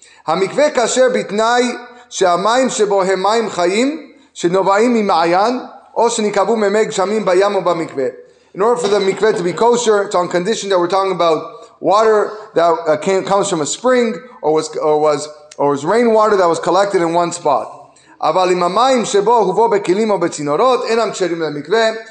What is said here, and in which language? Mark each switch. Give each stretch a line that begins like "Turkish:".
Hebrew: Hamikveh kasher bitnai שהמים שבו הם מים חיים שנובעים ממעיין או שנקבו ממי גשמים בים או במקווה.
English: In order for the mikveh to be kosher, it's on condition that we're talking about water that comes from a spring or was rainwater that was collected in one spot.
Hebrew: אבל אם המים שבו הובו בכלים או בצינורות אינם כשרים למקווה.